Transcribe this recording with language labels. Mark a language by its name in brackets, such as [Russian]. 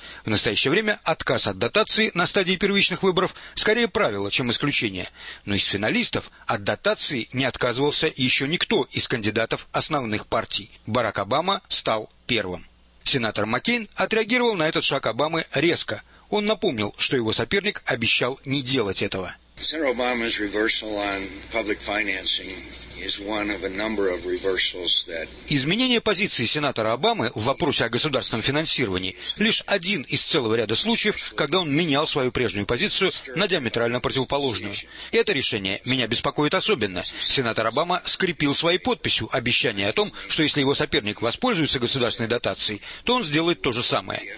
[Russian] В настоящее время отказ от дотации на стадии первичных выборов скорее правило, чем исключение. Но из финалистов от дотации не отказывался еще никто из кандидатов основных партий. Барак Обама стал первым. Сенатор Маккейн отреагировал на этот шаг Обамы резко. Он напомнил, что его соперник обещал не делать этого. Сенатор Обама's [English] reversal on public financing is one of a number of reversals that... [Russian] Изменение позиции сенатора Обамы в вопросе о государственном финансировании – лишь один из целого ряда случаев, когда он менял свою прежнюю позицию на диаметрально противоположную. Это решение меня беспокоит особенно. Сенатор Обама скрепил своей подписью обещание о том, что если его соперник воспользуется государственной дотацией, то он сделает то же самое.